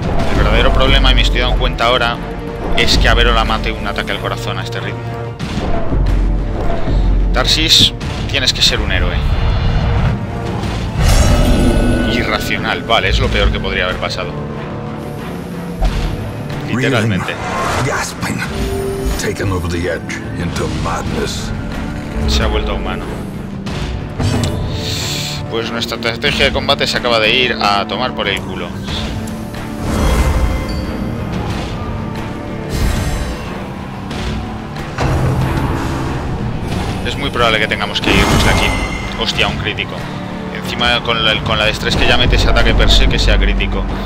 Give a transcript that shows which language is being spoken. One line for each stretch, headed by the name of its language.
Spanish: El verdadero problema, y me estoy dando cuenta ahora, es que Averola mate un ataque al corazón a este ritmo. Tarsis, tienes que ser un héroe. Irracional, vale, es lo peor que podría haber pasado. Literalmente.
English: Gasping, taken over the edge into madness.
Spanish: Se ha vuelto humano. Pues nuestra estrategia de combate se acaba de ir a tomar por el culo. Es muy probable que tengamos que irnos de aquí. Hostia, un crítico. Encima con la destreza que ya mete ese ataque per se que sea crítico.